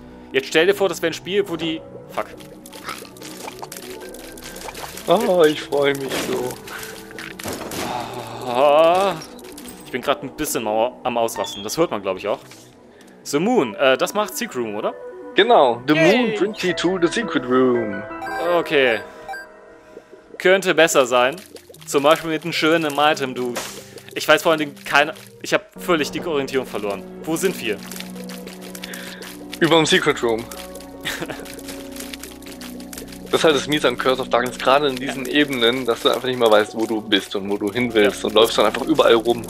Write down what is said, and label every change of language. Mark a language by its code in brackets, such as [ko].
[de] Jetzt stell dir vor, das wäre ein Spiel, wo die. Fuck. Oh, ich freue mich so. Ich bin gerade ein bisschen am Ausrasten. Das hört man, glaube ich, auch. The Moon, das macht Secret Room, oder? Genau. [en] The Moon brings you to the Secret Room. [de] Okay. Könnte besser sein. Zum Beispiel mit einem schönen Item, du. Ich weiß vor allen Dingen keine. Ich habe völlig die Orientierung verloren. Wo sind wir? Über dem Secret Room. Das ist halt das Mies an Curse of Darkness, gerade in diesen Ebenen, dass du einfach nicht mehr weißt, wo du bist und wo du hin willst und läufst dann einfach überall rum.